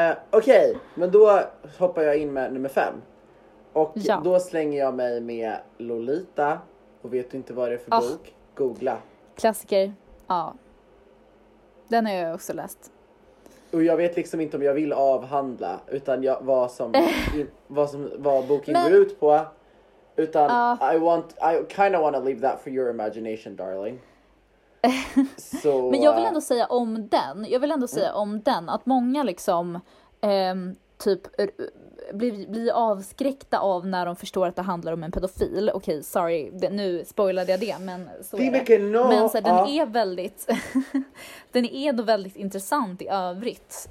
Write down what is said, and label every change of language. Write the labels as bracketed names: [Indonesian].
[Swedish] Okej, men då hoppar jag in med nummer 5. Och då slänger jag mig med Lolita. Och vet du inte vad det är för bok? Googla. Klassiker, ja. Den har jag också läst. Och jag vet liksom inte om jag vill avhandla, utan jag, vad som, vad boken går ut på. Utan [English] I kind of want to leave that for your imagination, darling. [Swedish] Så, men jag vill ändå säga om den, om den, att många liksom typ blir avskräckta av när de förstår att det handlar om en pedofil. Okej, sorry, nu spoilade jag det, men så är det. Men så här, den är väldigt den är då väldigt intressant i övrigt.